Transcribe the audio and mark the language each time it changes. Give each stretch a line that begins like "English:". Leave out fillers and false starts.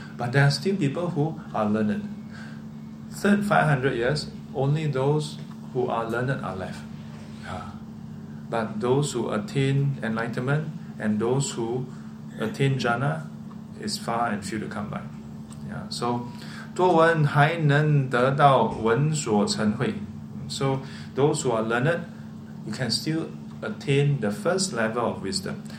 English: But there are still people who are learned. Third 500 years, only those who are learned are left. Yeah. But those who attain enlightenment and those who attain jhana is far and few to come by. Yeah.
Chinese: So, 多闻还能得到闻所成慧。
English: So those who are learned, you can still attain the first level of wisdom.